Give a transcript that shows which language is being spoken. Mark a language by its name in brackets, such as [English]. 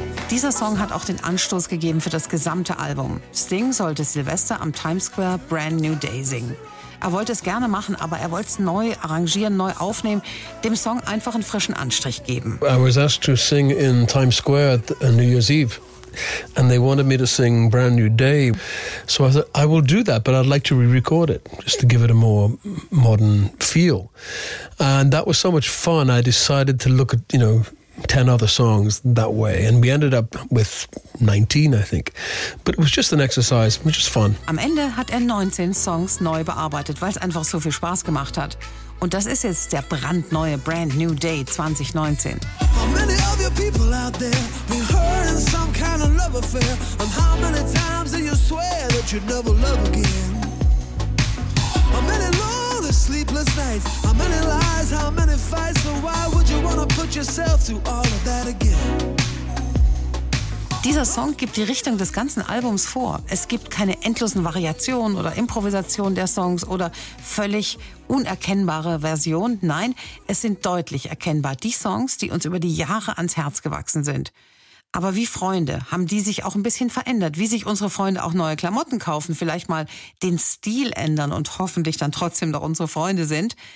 [German] Dieser Song hat auch den Anstoß gegeben für das gesamte Album. Sting sollte Silvester am Times Square Brand New Day singen. Er wollte es gerne machen, aber er wollte es neu arrangieren, neu aufnehmen, dem Song einfach einen frischen Anstrich geben. [English] I was asked to sing in Times Square on New Year's Eve. And they wanted me to sing Brand New Day. So I thought, I will do that, but I'd like to re-record it, just to give it a more modern feel. And that was so much fun, I decided to look at, you know, 10 other songs that way. And we ended up with 19, I think. But it was just an exercise, which was fun. [German] Am Ende hat 19 Songs neu bearbeitet, weil es einfach so viel Spaß gemacht hat. Und das ist jetzt der brandneue Brand New Day 2019. [English] How many of your people out there been hurt in some kind of love affair? And how many times did you swear that you'd never love again? How many lonely sleepless nights? How many lies? How many fights? So why would you want to put yourself through all of that again? [German] Dieser Song gibt die Richtung des ganzen Albums vor. Es gibt keine endlosen Variationen oder Improvisationen der Songs oder völlig unerkennbare Versionen. Nein, es sind deutlich erkennbar die Songs, die uns über die Jahre ans Herz gewachsen sind. Aber wie Freunde haben die sich auch ein bisschen verändert, wie sich unsere Freunde auch neue Klamotten kaufen, vielleicht mal den Stil ändern und hoffentlich dann trotzdem noch unsere Freunde sind.